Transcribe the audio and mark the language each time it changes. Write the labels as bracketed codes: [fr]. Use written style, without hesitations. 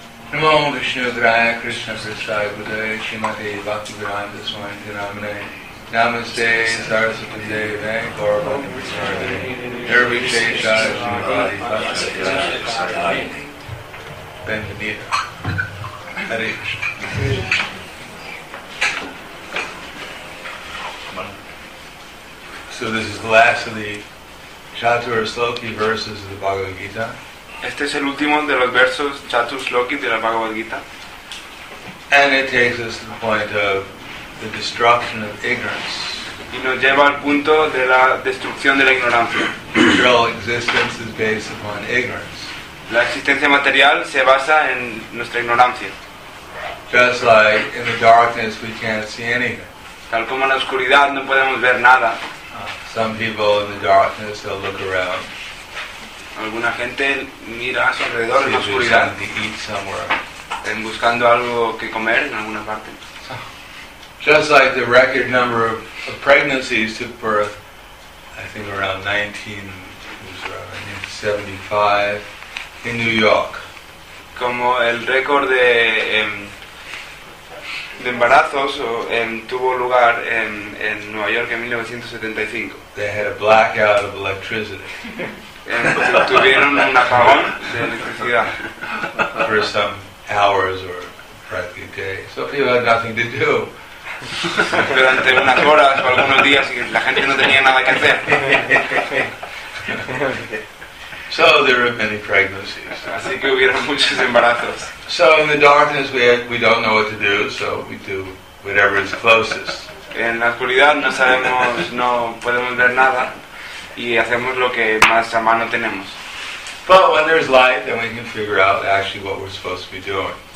[en] Namo Vishnu Graya Krishna Prasaya Gudai Shimate Bhakti Viranda Swami Tiramane Namaste, Sarasvati Deva, Gorba, Sarve, Erbi Shesha, Shimabadi, Pashtakya, Sarai, Benvenida, Hare Krishna. So this is the last of the Chatur Sloki verses of the Bhagavad Gita. [es] Este es el último de los versos Chatur Sloki de la Bhagavad Gita. [en] And it takes us to the point of the destruction of ignorance. [es] Y nos lleva al punto de la destrucción de la ignorancia. [en] Material existence is based upon ignorance. [es] La existencia material se basa en nuestra ignorancia. [en] Just like in the darkness we can't see anything. [es] Tal como en la oscuridad no podemos ver nada. [en] Some people in the darkness they'll look around. [es] Alguna gente mira a su alrededor en la oscuridad. [en] To eat somewhere. [es] En buscando algo que comer en alguna parte. [en] Just like the record number of pregnancies took birth, I think around 1975 in New York. [es] Como el récord de embarazos tuvo lugar en Nueva York en 1975. [en] They had a blackout of electricity. [es] Tuvieron un apagón de electricidad. [en] For some hours or practically days. So people had nothing to do. [es] Durante unas horas o algunos días y la gente no tenía nada que hacer. [en] So there were many pregnancies. [es] Así que hubieron muchos embarazos. [en] So in the darkness we don't know what to do, so we do whatever is closest. [es] En la oscuridad no sabemos, no podemos ver nada y hacemos lo que más a mano tenemos. [en] But when there's light, then we can figure out actually what we're supposed to be doing.